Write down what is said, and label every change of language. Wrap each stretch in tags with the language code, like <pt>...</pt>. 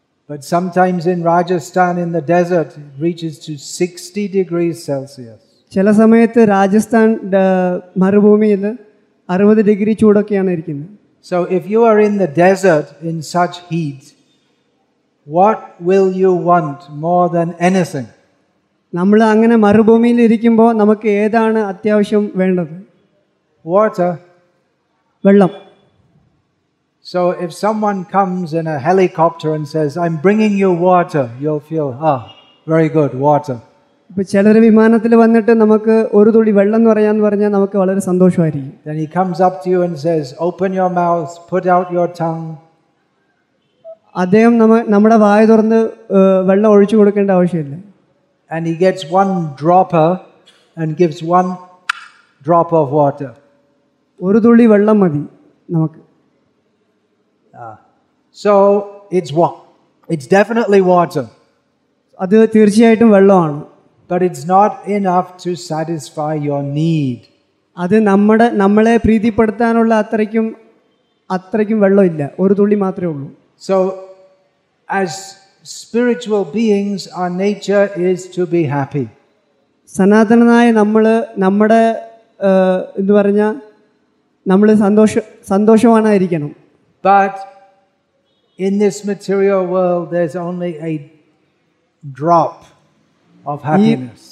<en>But sometimes in Rajasthan in the desert it reaches to 60 degrees Celsius.</en> <ml>ചില സമയത്ത് രാജസ്ഥാൻ മരുഭൂമിയിൽ 60 degree ചൂടൊക്കെയാണ് ഇരിക്കുന്നത്.</ml> <en>So if you are in the desert in such heat, what will you want more than anything?</en> <ml>നമ്മൾ അങ്ങനെ മരുഭൂമിയിൽ ഇരിക്കുമ്പോൾ നമുക്ക് ഏതാണ് അത്യാവശ്യം വേണ്ടത്?</ml> <en>Water.</en> <ml>വെള്ളം.</ml> <en>So if someone comes in a helicopter and says I'm bringing you water, you'll feel ah, very good, water.</en> <ml>ഇപ്പോ ചിലർ വിമാനത്തിൽ വന്നിട്ട് നമുക്ക് ഒരു തുള്ളി വെള്ളം എന്ന് പറഞ്ഞാൽ നമുക്ക് വളരെ സന്തോഷമായിരിക്കും.</ml> <en>Then he comes up to you and says open your mouth, put out your tongue.</en> <ml>അദ്ദേഹം നമ്മുടെ വായ തുറന്ന് വെള്ളം ഒഴിച്ചു കൊടുക്കേണ്ട ആവശ്യമില്ല.</ml> <en>And he gets one dropper and gives one drop of water.</en> <ml>ഒരു തുള്ളി വെള്ളം മതി നമുക്ക്.</ml> <en>So it's definitely water.</en> <ml>അത് തീർച്ചയായിട്ടും വെള്ളമാണ്.</ml> <en>But it's not enough to satisfy your need.</en> <ml>അത് നമ്മളെ പ്രീതിപ്പെടുത്താനുള്ള അത്രയ്ക്കും വെള്ളമില്ല. ഒരു തുള്ളി മാത്രമേ ഉള്ളൂ.</ml> <en>So as spiritual beings our nature is to be happy.</en> <ml>സനാതനനായ നമ്മൾ നമ്മുടെ എന്ന് പറഞ്ഞാൽ നമ്മൾ സന്തോഷമാണായിരിക്കണം.</ml> <en>But in this material world there's only a drop of happiness.</en>